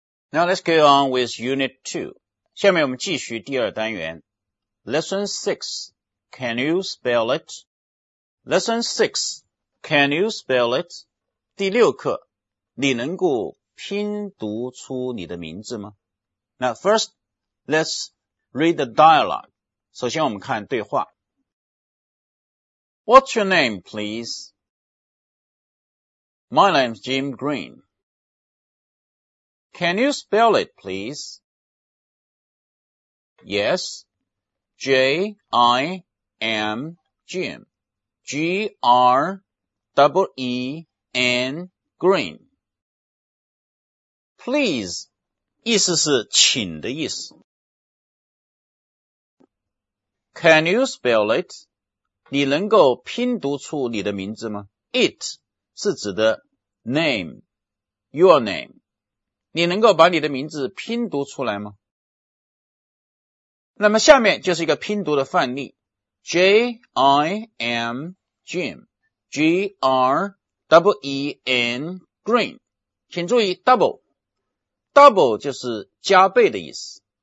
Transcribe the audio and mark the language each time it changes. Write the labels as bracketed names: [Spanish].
[English] Now let's get on with Unit 2. [Chinese] 下面我们继续第二单元。 [English] Lesson 6, Can you spell it? Lesson 6, Can you spell it? [Chinese] 第六课，你能够拼读出你的名字吗？ [English] Now first, let's read the dialogue. [Chinese] 首先我们看对话。 [English] What's your name, please? My name's Jim Green. Can you spell it, please? Yes, J-I-M, Jim, G-R-E-E-N, Green. [Chinese] Please, 意思是请的意思。 [English] Can you spell it? [Chinese] 你能够拼读出你的名字吗？ [English] It [Chinese] 是指的 [English] name, your name. [Chinese] 你能够把你的名字拼读出来吗？那么下面就是一个拼读的范例。 [English] J-I-M, Jim, G-R-E-E-N, Green. [Chinese] 请注意 double 就是加倍的意思。